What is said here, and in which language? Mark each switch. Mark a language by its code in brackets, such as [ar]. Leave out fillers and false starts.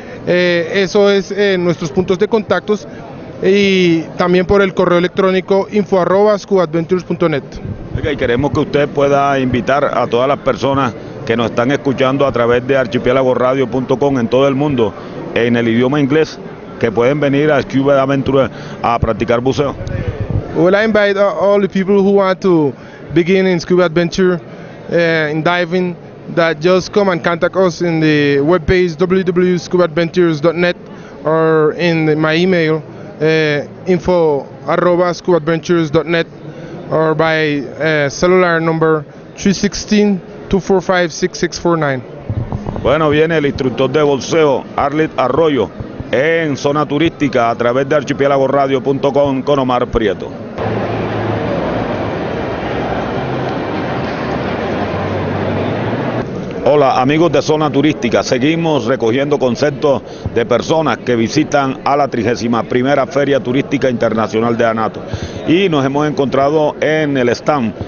[es] Eso es nuestros puntos de contactos, y también por el correo electrónico info@scubaadventures.net. Okay, queremos que usted pueda invitar a todas las personas que nos están escuchando a través de archipiélagoradio.com en todo el mundo, en el idioma inglés, que pueden venir a Scuba Adventure a practicar buceo. [en] Well, I invite all the people who want to begin in Scuba Adventure, in diving, that just come and contact us in the webpage www.scubaadventures.net or in my email info@scubaadventures.net or by cellular number 316-245-6649. [es] Bueno, viene el instructor de buceo Erlic Arroyo en zona turística a través de archipiélagoradio.com con Omar Prieto. Hola amigos de Zona Turística, seguimos recogiendo conceptos de personas que visitan a la 31ª Feria Turística Internacional de Anato, y nos hemos encontrado en el stand